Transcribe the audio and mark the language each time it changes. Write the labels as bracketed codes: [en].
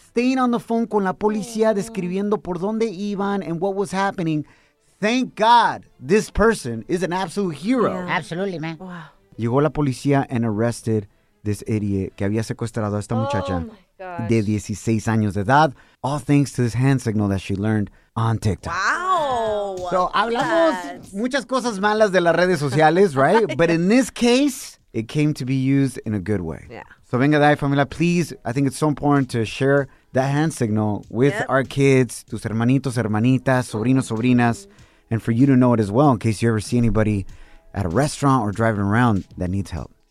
[en] Staying on the phone [es] con la policía, describiendo por dónde iban [en] and what was happening. Thank God this person is an absolute hero. Yeah. Absolutely, man. Wow. [es] Llegó la policía [en] and arrested this idiot [es] que había secuestrado a esta muchacha de 16 años de edad. [en] All thanks to this hand signal that she learned on TikTok. Wow. [es] So, hablamos muchas cosas malas de las redes sociales, [en] right? But in this case, it came to be used in a good way. Yeah. [es] So venga de ahí, familia. [en] Please, I think it's so important to share that hand signal with our kids, [es] tus hermanitos, hermanitas, sobrinos, sobrinas, [en] and for you to know it as well in case you ever see anybody at a restaurant or driving around that needs help.